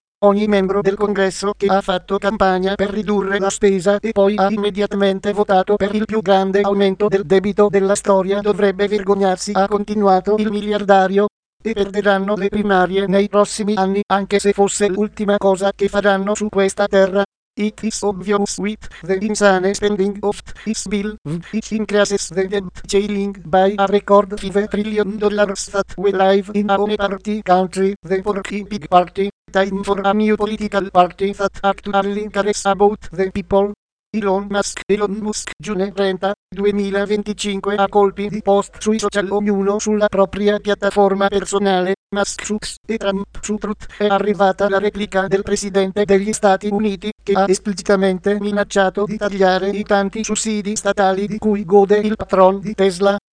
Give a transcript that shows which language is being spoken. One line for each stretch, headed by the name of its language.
Italian: Ogni membro del Congresso che ha fatto campagna per ridurre la spesa e poi ha immediatamente votato per il più grande aumento del debito della storia dovrebbe vergognarsi, ha continuato il miliardario. E perderanno le primarie nei prossimi anni, anche se fosse l'ultima cosa che faranno su questa terra.
English: It is obvious with the insane spending of this bill, which increases the debt ceiling by a record $5 trillion that we live in a one party country, the Porky Pig Party. Time for a new political party that actually cares about the people.
Italian: Elon Musk, giugno 30, 2025, a colpi di post sui social, ognuno sulla propria piattaforma personale, Musk su X e Trump su Truth, è arrivata la replica del presidente degli Stati Uniti, che ha esplicitamente minacciato di tagliare i tanti sussidi statali di cui gode il patron di Tesla.